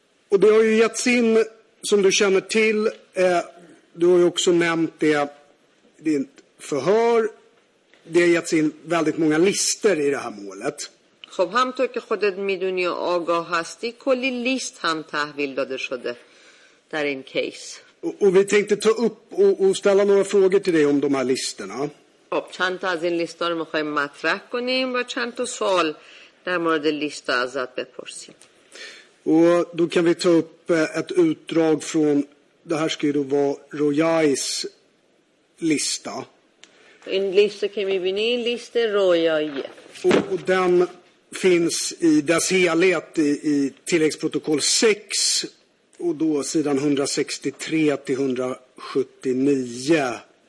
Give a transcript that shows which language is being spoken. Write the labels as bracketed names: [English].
[Swedish] و det har ju getts in, som du känner till, du har ju också nämnt det i din förhör, det har getts in väldigt många lister i det här målet. [Persian] خب همطور که خودت میدونی آگاه هستی کلی لیست هم تحویل داده شده در این کیس. [Swedish] و vi tänkte ta upp och ställa några frågor till dig om de här listerna. [Persian] خب چند تا از این لیست ها رو میخوایم مطرح کنیم و چند تا سوال در مورد لیست ها ازت بپرسیم. [Swedish] و då kan vi ta upp ett utdrag från, det här ska ju då vara Royais lista. [Persian] این لیست که میبینی لیست رویاییه. [Swedish] و den finns i dess helhet i tilläggsprotokoll 6 och då sidan 163-179.